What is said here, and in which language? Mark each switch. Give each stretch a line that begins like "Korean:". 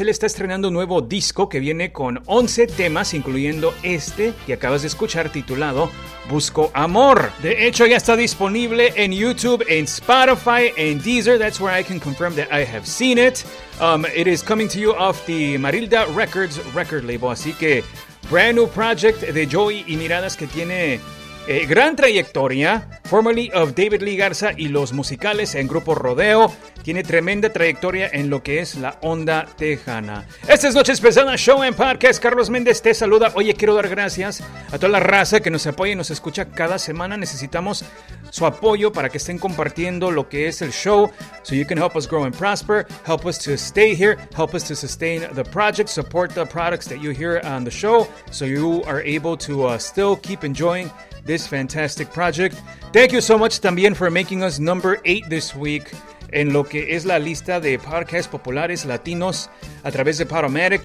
Spanish: Él está estrenando un nuevo disco que viene con 11 temas, incluyendo este que acabas de escuchar, titulado Busco Amor. De hecho, ya está disponible en YouTube, en Spotify, en Deezer.
English: That's where I can confirm that I have seen it. It is coming to you off the Marilda Records record label.
Spanish: Así que,
English: brand new project
Spanish: de Joey y Miradas que tiene gran trayectoria.
English: Formerly of
Spanish: David Lee Garza y Los Musicales en Grupo Rodeo. Tiene tremenda trayectoria en lo que es la onda tejana. Esta es Noches Pesadas Show en Podcast. Carlos Méndez te saluda. Oye, quiero dar gracias a toda la raza que nos apoya y nos escucha cada semana. Necesitamos su apoyo para que estén compartiendo lo que es el show.
English: So you can help us grow and prosper. Help us to stay here. Help us to sustain the project. Support the products that you hear on the show. So you are able to still keep enjoying this fantastic project. Thank you so much
Spanish: también
English: for making us number 8 this week
Spanish: en lo que es la lista de podcasts populares latinos a través de Podomatic.